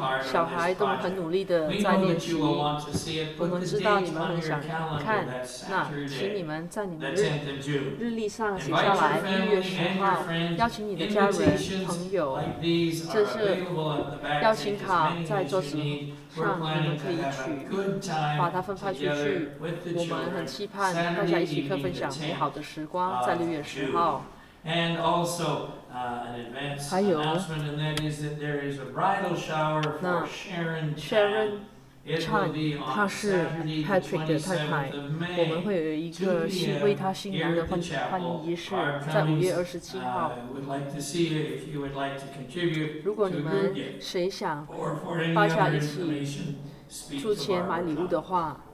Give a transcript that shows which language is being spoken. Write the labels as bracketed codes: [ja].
[zh] 小孩都很努力地在练习。我们知道你们很想看，那请你们在你们日历上写下来1月10号，邀请你的家人、朋友。这是邀请卡在桌子上，你们可以取，把它分发出去。我们很期盼大家一起可分享美好的时光，在6月10号。 [en] And also an advance announcement, and that is that there is a bridal shower for Sharon Chan. Chan, it will be on Saturday the 27th of May. [zh] 会有一个新为他新娘的欢迎仪式，在5月27号。 [en] Would like to see if you would like to contribute. [zh] 如果你们谁想发下一起出钱买礼物的话。